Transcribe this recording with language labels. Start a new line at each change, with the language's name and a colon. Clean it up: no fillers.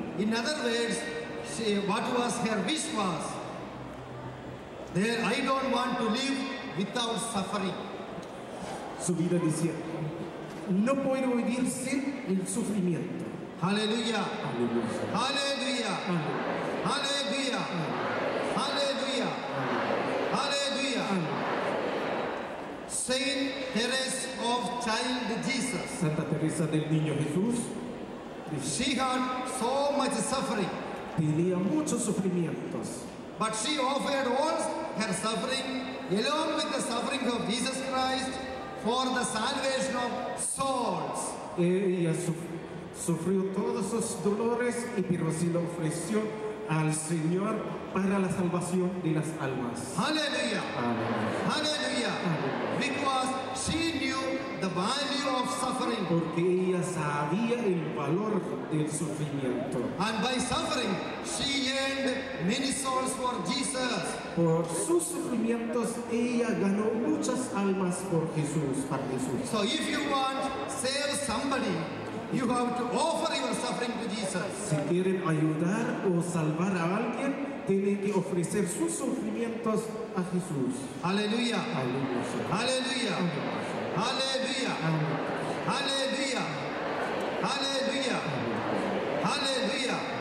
English: In other words, what was her wish was, there, I don't want to live without suffering.
Spanish: Su vida decía, no puedo vivir sin el sufrimiento.
English: Hallelujah. Hallelujah. Hallelujah. Hallelujah. Hallelujah. Hallelujah. Saint Teresa of Child Jesus.
Spanish: Santa Teresa del Niño Jesús.
English: She had so much suffering.
Spanish: Tenía muchos sufrimientos.
English: But she offered all her suffering along with the suffering of Jesus Christ for the salvation of souls.
Spanish: Ella sufrió todos sus dolores y pero sí lo ofreció al Señor para la salvación de las almas.
English: Hallelujah. Hallelujah. Because she knew the value of suffering.
Spanish: Porque ella sabía el valor del sufrimiento.
English: And by suffering, she gained many souls for Jesus.
Spanish: Por sus sufrimientos, ella ganó muchas almas por Jesús, para Jesús.
English: So if you want to save somebody, you have to offer your suffering to Jesus.
Spanish: Si quieren ayudar o salvar a alguien, tienen que ofrecer sus sufrimientos a Jesús. Aleluya. Aleluya. Aleluya. Aleluya. Aleluya. Aleluya.